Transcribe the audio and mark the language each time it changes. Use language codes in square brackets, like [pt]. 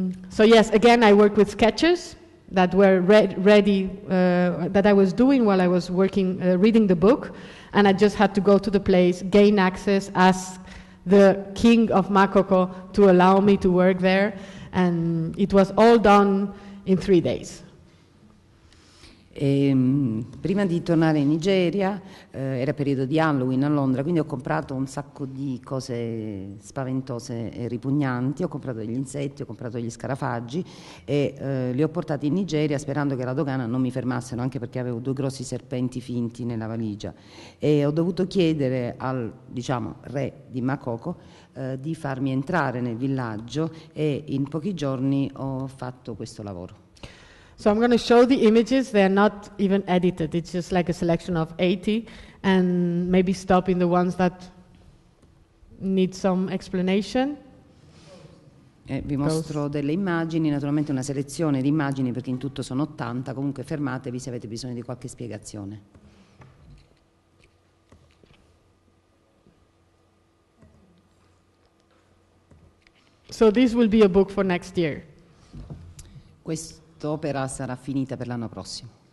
[en] So yes, again, I work with sketches that were ready that I was doing while I was working reading the book, and I just had to go to the place, gain access, ask the king of Makoko to allow me to work there, and it was all done in 3 days. [it] Prima di tornare in Nigeria, era periodo di Halloween a Londra, quindi ho comprato un sacco di cose spaventose e ripugnanti. Ho comprato degli insetti, ho comprato degli scarafaggi e li ho portati in Nigeria sperando che la dogana non mi fermassero, anche perché avevo 2 grossi serpenti finti nella valigia. E ho dovuto chiedere al, diciamo, re di Makoko di farmi entrare nel villaggio, e in pochi giorni ho fatto questo lavoro. [en] So I'm going to show the images. They're not even edited. It's just like a selection of 80, and maybe stop in the ones that need some explanation. [it] Vi mostro delle immagini, naturalmente una selezione di immagini, perché in tutto sono 80. Comunque fermatevi se avete bisogno di qualche spiegazione. [en] So this will be a book for next year. [it] Opera sarà finita per l'anno prossimo.